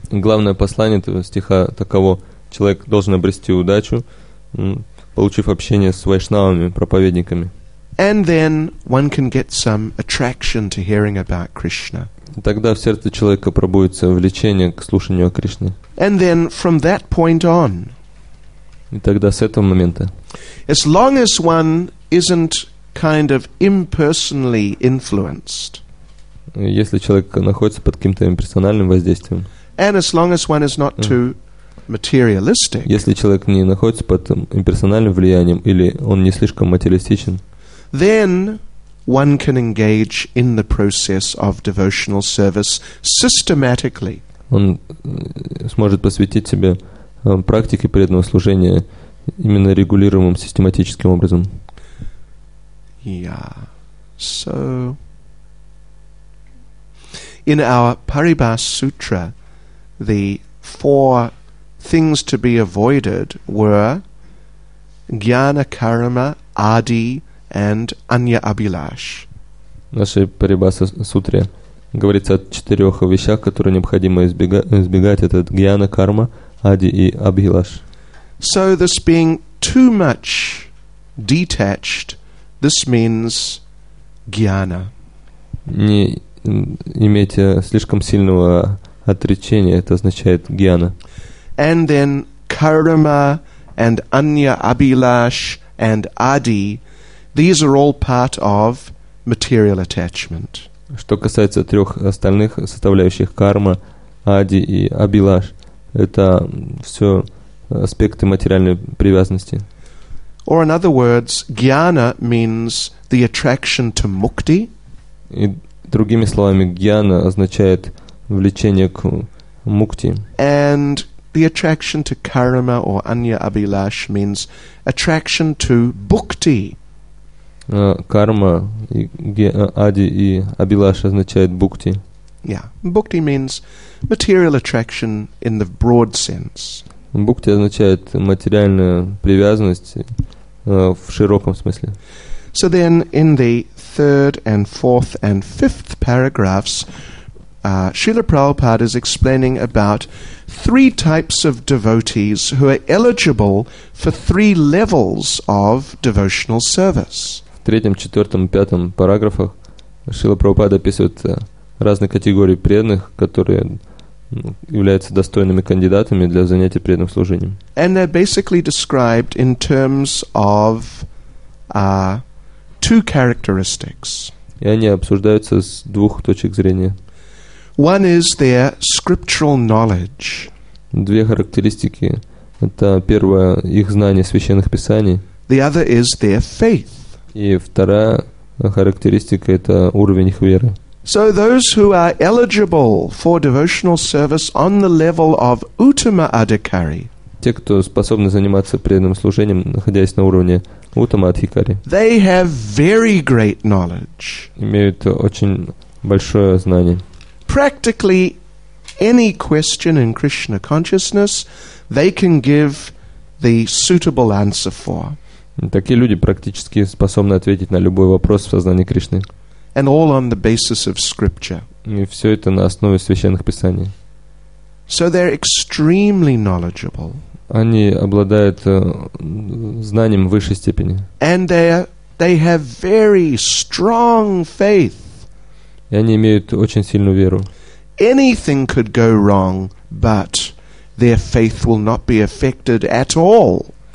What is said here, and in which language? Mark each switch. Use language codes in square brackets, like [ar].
[ru] Главное послание этого стиха таково: человек должен обрести удачу, получив общение с вайшнавами, проповедниками. [en] And then one can get some attraction to hearing about Krishna. [ru] Тогда в сердце человека пробудится влечение к слушанию о Кришне. [en] And then from that point on. [ru] И тогда с этого момента. [en] As long as one isn't kind of impersonally influenced. [ru] Если человек находится под каким-то имперсональным воздействием. [en] And as long as one is not too materialistic. [ru] Если человек не находится под имперсональным влиянием или он не слишком материалистичен. [en] Then one can engage in the process of devotional service systematically. [ru] Он сможет посвятить себя практике преданного служения именно регулируемым систематическим образом. [en] Yeah. So in our Paribhas Sutra, the four things to be avoided were jnana, karma, adi, and anya abhilash. [ru] В нашей Paribhas Sutra говорится о четырех вещах, которые необходимо избегать. Это jnana, karma, adi и abhilash. [en] So this being too much detached, this means jnana. [ru] Иметь слишком сильного отречения, это означает гьяна. [en] And then karma and anya abhilash and adi, these are all part of material attachment. [ru] Что касается трех остальных составляющих, карма, ади и абилаш, это все аспекты материальной привязанности. [en] Or in other words, gyana means the attraction to mukti. [ru] Другими словами, гьяна означает влечение к мукти. [en] And the attraction to karma or anya abhilash means attraction to bhukti. [ru] Карма, Ади и Абилаш означает Бхукти. [en] Yeah, Bhukti means material attraction in the broad sense. [ru] Бхукти означает материальную привязанность в широком смысле. [en] So then, in the third and fourth and fifth paragraphs, Srila Prabhupada is explaining about three types of devotees who are eligible for three levels of devotional service. [ru] В третьем, четвертом, пятом параграфах Шрила Прабхупада описывает разные категории преданных, которые являются достойными кандидатами для занятия преданным служением. [en] And they're basically described in terms of two characteristics. [ru] И они обсуждаются с двух точек зрения. [en] One is their scriptural knowledge. [ru] Две характеристики. Это первое, их знание священных писаний. [en] The other is their faith. [ru] И вторая характеристика – это уровень их веры. [en] So those who are eligible for devotional service on the level of Uttama Adhikari. [ru] Те, кто способны заниматься преданным служением, находясь на уровне Uttama Adhikari. [en] They have very great knowledge. [ru] Имеют очень большое знание. [en] Practically any question in Krishna consciousness, they can give the suitable answer for. [ru] Такие люди практически способны ответить на любой вопрос в сознании Кришны. [en] And all on the basis of scripture. [ru] И все это на основе священных писаний. [en] So they're extremely knowledgeable. [ru] Они обладают знанием высшей степени. [en] And they have very strong faith. [ru] И они имеют очень сильную веру. [en] Anything could go wrong, but their faith will not be affected at all.